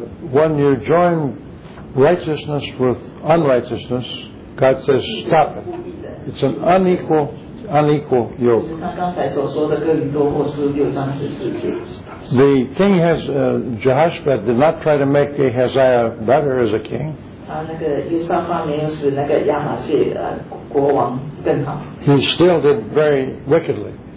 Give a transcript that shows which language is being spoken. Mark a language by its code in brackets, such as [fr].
[en] When you join righteousness with unrighteousness, God says stop it. It's an unequal yoke. [zh] 那刚才所说的哥林多后书六章十四节。 [en] The king has Jehoshaphat did not try to make Ahaziah better as a king. He still did very wickedly.